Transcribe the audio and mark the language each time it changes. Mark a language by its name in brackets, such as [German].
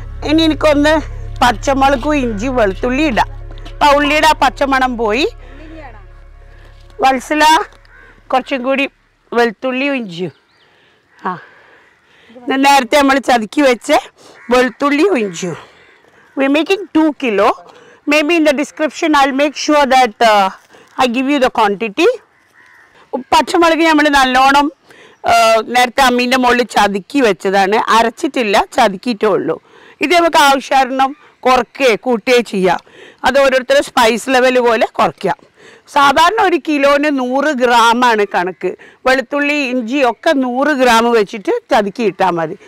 [Malayalam] ഇനി എനിക്കൊന്ന് പച്ചമുളകും ഇഞ്ചി വെളുത്തുള്ളി ഇടാം. അപ്പൊ ഉള്ളിയുടെ ആ പച്ചമണം പോയി. വത്സല കുറച്ചും കൂടി വെളുത്തുള്ളിയും ഇഞ്ചിയും, ആ നേരത്തെ നമ്മൾ ചതുക്കി വെച്ച വെളുത്തുള്ളിയും ഇഞ്ചിയും. [English] We are making 2 kilo. Maybe in the description I'll make sure that I give you the quantity. [Malayalam] പച്ചമുളക് നമ്മൾ നല്ലോണം നേരത്തെ അമ്മീൻ്റെ മുകളിൽ ചതുക്കി വെച്ചതാണ്, അരച്ചിട്ടില്ല, ചതുക്കിയിട്ടേ ഉള്ളൂ. ഇത് നമുക്ക് ആവശ്യമാണ് കുറക്കുകയോ കൂട്ടുകയോ ചെയ്യാം, അത് ഓരോരുത്തരുടെ സ്പൈസ് ലെവൽ പോലെ കുറയ്ക്കാം. സാധാരണ 1 കിലോന് 100 ഗ്രാമാണ് കണക്ക്. വെളുത്തുള്ളി ഇഞ്ചി ഒക്കെ 100 ഗ്രാം വെച്ചിട്ട് ചതുക്കി ഇട്ടാൽ മതി.